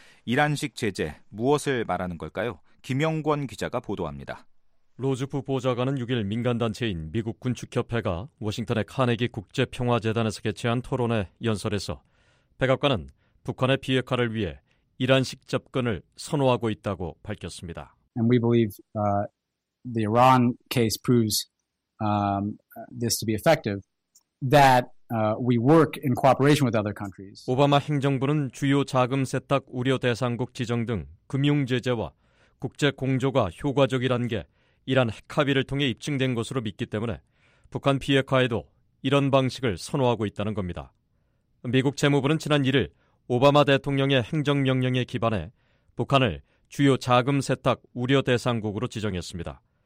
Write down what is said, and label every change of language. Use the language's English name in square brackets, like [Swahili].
[Korean] 이란식 제재 무엇을 말하는 걸까요? 김영권 기자가 보도합니다. 로즈 부보좌관은 6일 민간단체인 미국군축협회가 워싱턴의 카네기 국제평화재단에서 개최한 토론회 연설에서 백악관은 북한의 비핵화를 위해 이란식 접근을 선호하고 있다고 밝혔습니다. [English] And we believe the Iran case proves this to be effective that we work in cooperation with other countries. [Korean] 오바마 행정부는 주요 자금 세탁 우려 대상국 지정 등 금융 제재와 국제 공조가 효과적이란 게 이란 핵 합의를 통해 입증된 것으로 믿기 때문에 북한 비핵화에도 이런 방식을 선호하고 있다는 겁니다. 미국 재무부는 지난 1일 오바마 대통령의 행정명령에 기반해 북한을 주요 자금 세탁 우려 대상국으로 지정했습니다.